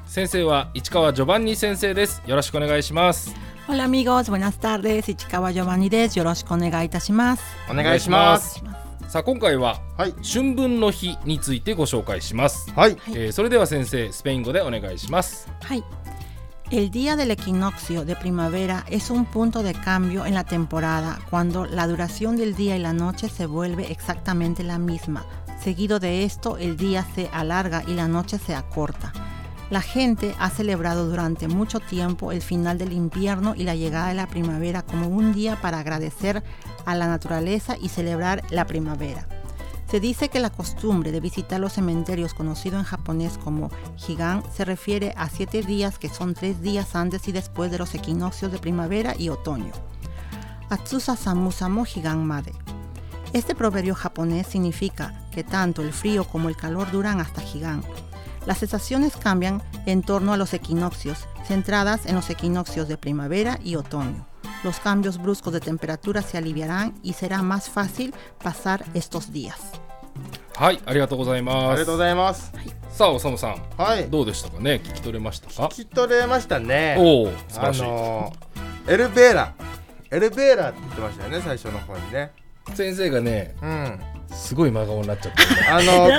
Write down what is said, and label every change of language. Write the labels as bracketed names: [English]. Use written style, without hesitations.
[Japanese] 先生は市川ジョバンニ先生です。よろしくお願いします。 [Spanish] Hola amigos, buenas tardes, [Japanese] 市川ジョバンニです。よろしくお願いいたします。お願いします。さあ今回は、はい、春分の日についてご紹介します。はい、それでは先生スペイン語でお願いします。はい。 [Spanish] El día del equinoccio de primavera es un punto de cambio en la temporada cuando la duración del día y la noche se vuelve exactamente la misma. Seguido de esto, el día se alarga y la noche se acorta. La gente ha celebrado durante mucho tiempo el final del invierno y la llegada de la primavera como un día para agradecer a la naturaleza y celebrar la primavera. Se dice que la costumbre de visitar los cementerios, conocido en japonés como Higan, se refiere a 7 días que son 3 días antes y después de los equinoccios de primavera y otoño. [Japanese] Atsusa samusamo Higan made. [Spanish] Este proverbio japonés significa que tanto el frío como el calor duran hasta Higan. Las estaciones cambian en torno a los equinoccios, centradas en los equinoccios de primavera y otoño. Los cambios bruscos de temperatura se aliviarán y será más fácil pasar estos días. [Japanese] はい、ありがとうございます。ありがとうございます。はい、さあ、おさむさん、はい、どうでしたかね？聞き取れましたか？聞き取れましたね。おお、素晴らしい。エルベーラ、エルベーラって言ってましたよね、最初の方にね。先生がね、うん、すごい真顔になっちゃった。